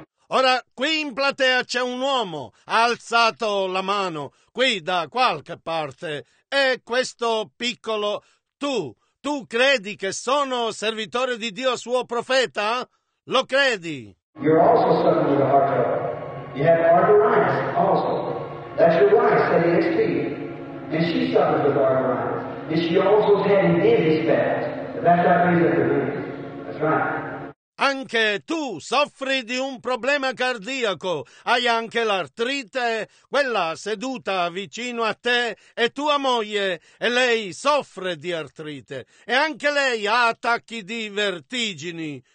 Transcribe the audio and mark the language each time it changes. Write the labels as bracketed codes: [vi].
[it] Ora, qui in platea c'è un uomo, ha alzato la mano, qui da qualche parte, e questo piccolo, tu credi che sono servitore di Dio, suo profeta? Lo credi? [en] You're also suffering with a heart trouble. You have arthritis also. That's your wife sitting next to you. And she suffers with arthritis. And she also is having dizziness bad. That's what means that you're busy. That's right. [it] Anche tu soffri di un problema cardiaco, hai anche l'artrite, quella seduta vicino a te è tua moglie e lei soffre di artrite e anche lei ha attacchi di vertigini.